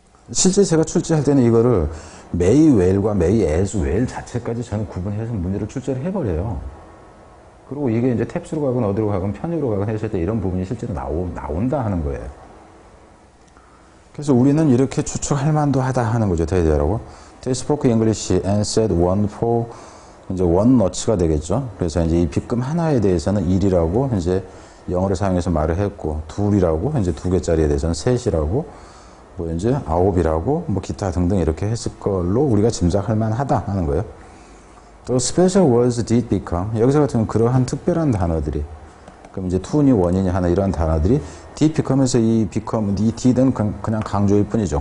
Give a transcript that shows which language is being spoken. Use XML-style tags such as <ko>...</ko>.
<ko>실제 제가 출제할 때는 이거를 may well과 may as well 자체까지 저는 구분해서 문제를 출제를 해버려요. 그리고 이게 이제 탭스로 가건 어디로 가건 편의로 가건 했을 때 이런 부분이 실제로 나온다 하는 거예요. 그래서 우리는 이렇게 추측할 만도 하다 하는 거죠, 대대라고.</ko> <en>They spoke English and said one for,</en> <ko>이제 one nuts가 되겠죠. 그래서 이제 이 빚금 하나에 대해서는 1이라고 이제 영어를 사용해서 말을 했고, 둘이라고 이제 두 개짜리에 대해서는 셋이라고, 뭐 이제 아홉이라고, 뭐 기타 등등 이렇게 했을 걸로 우리가 짐작할 만하다 하는 거예요.</ko> <en>The special words did become,</en> <ko>여기서 같은 경우 그러한 특별한 단어들이, 그럼 이제 to니 원인이 하나 이런 단어들이 did become에서 이 become, 이 did은 그냥 강조일 뿐이죠.</ko>